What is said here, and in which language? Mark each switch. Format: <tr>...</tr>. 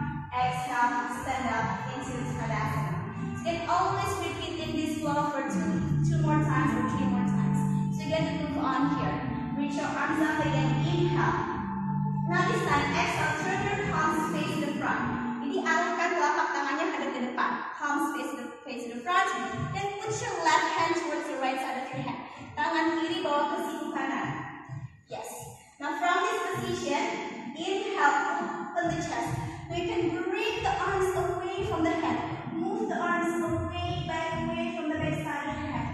<en>Exhale, stand up into Uttanasana. You can always repeat in this flow for two more times or three more times. So you get to move on here. Reach your arms up again. Inhale. Now this time, exhale, turn your palms facing the front.</en> <id>Jadi alihkan telapak tangannya hadap ke depan.</id> <en>Palms facing the front. Then put your left hand towards the right side of your head.</en> <id>Tangan kiri bawa ke siku kanan.</id> <en>Yes. Now from this position, inhale, open the chest. We can bring the arms away from the head. Move the arms away, back away from the back side of your head.</en>